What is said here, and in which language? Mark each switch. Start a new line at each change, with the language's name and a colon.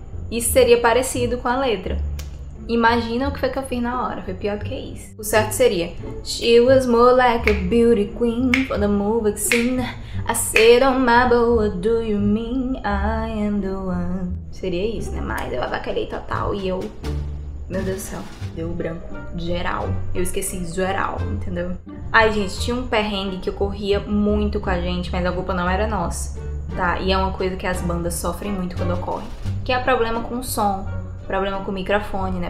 Portuguese: Isso seria parecido com a letra. Imagina o que foi que eu fiz na hora. Foi pior do que isso. O certo seria:
English: She was more like a beauty queen for the movie scene. I said on my boat, do you mean I am the one?
Portuguese: Seria isso, né? Mas eu avacalhei total e eu. Meu Deus do céu. Deu branco. Geral. Eu esqueci geral, entendeu? Ai, gente, tinha um perrengue que ocorria muito com a gente, mas a culpa não era nossa, tá? E é uma coisa que as bandas sofrem muito quando ocorre. Que é problema com o som, problema com o microfone, né?